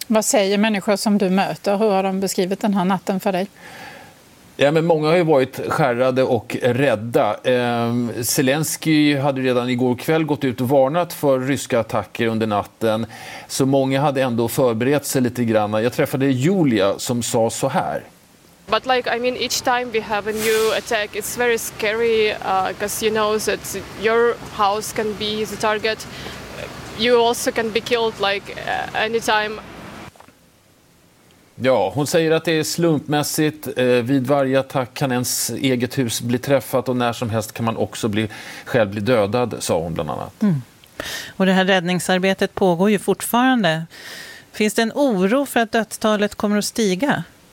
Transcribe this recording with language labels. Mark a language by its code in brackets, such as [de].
[sv] Vad säger människor som du möter? Hur har de beskrivit den här natten för dig? Ja, men många har ju varit skärrade och rädda. Zelensky hade redan igår kväll gått ut och varnat för ryska attacker under natten. Så många hade ändå förberett sig lite grann. Jag träffade Julia som sa så här. [en] But like, I mean, each time we have a new attack, it's very scary because you know that your house can be the target. You also can be killed like anytime. [sv] Ja, hon säger att det är slumpmässigt. Vid varje attack kan ens eget hus bli träffat och när som helst kan man också bli dödad, sa hon bland annat. Mm. Och det här räddningsarbetet pågår ju fortfarande. Finns det en oro för att dödstalet kommer att stiga?